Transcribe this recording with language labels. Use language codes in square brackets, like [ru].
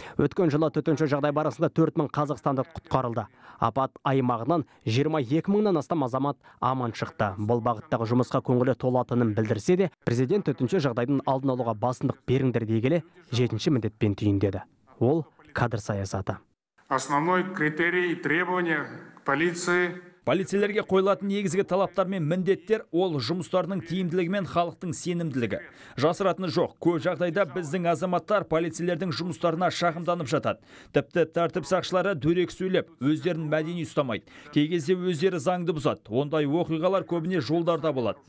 [kk] Өткен жылы төтенше жағдай барысында 4 мың қазақстандық құтқарылды. Апат аймағынан 22 мыңнан астам азамат аман шықты. Бұл бағыттағы жұмысқа көңілі толатынын білдірсе де, президент төтенше жағдайдың алдын алуға басымдық беріңдер дегелі 7-ші міндетпен түйіндеді. Ол кадр саясаты. [ru] Основной критерий и требования полиции. [kk] Полицейлерге қойылатын негізгі талаптар мен міндеттер ол жұмыстарының тиімділігі мен халықтың сенімділігі. Жасыратыны жоқ, көп жағдайда біздің азаматтар полицейлердің жұмыстарына шағымданып жатады. Тіпті тәртіп сақшылары дөрек сөйлеп, өздерін мәдени ұстамайды. Кей кезде өздері заңды бұзады. Ондай оқиғалар көбіне жолдарда болады.